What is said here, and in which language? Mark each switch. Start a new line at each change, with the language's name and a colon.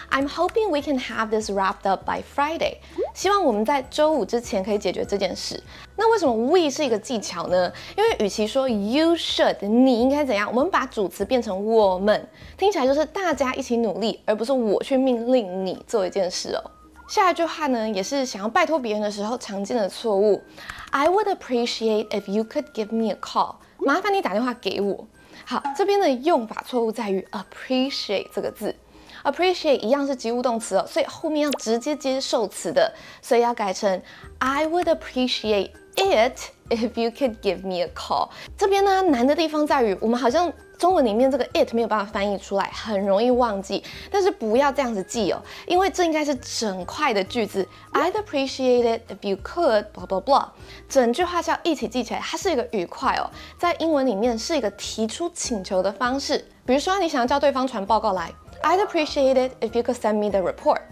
English: I'm hoping we can have this wrapped up by Friday，
Chinese: 希望我们在周五之前可以解决这件事。那为什么 we 是一个技巧呢？因为与其说 you should 你应该怎样，我们把主词变成我们，听起来就是大家一起努力，而不是我去命令你做一件事哦。下一句话呢，也是想要拜托别人的时候常见的错误。
English: I would appreciate if you could give me a call.
Chinese: 麻烦你打电话给我。好，这边的用法错误在于 appreciate 这个字。 Appreciate 一样是及物动词哦，所以后面要直接接受词的，所以要改成
English: I would appreciate it if you could give me a call。
Chinese: 这边呢难的地方在于，我们好像中文里面这个 it 没有办法翻译出来，很容易忘记。但是不要这样子记哦，因为这应该是整块的句子。
English: I'd appreciate it if you could blah blah
Chinese: blah， 整句话是要一起记起来，它是一个语块哦，在英文里面是一个提出请求的方式。比如说你想要叫对方传报告来。
English: I'd appreciate it if you could send me the report.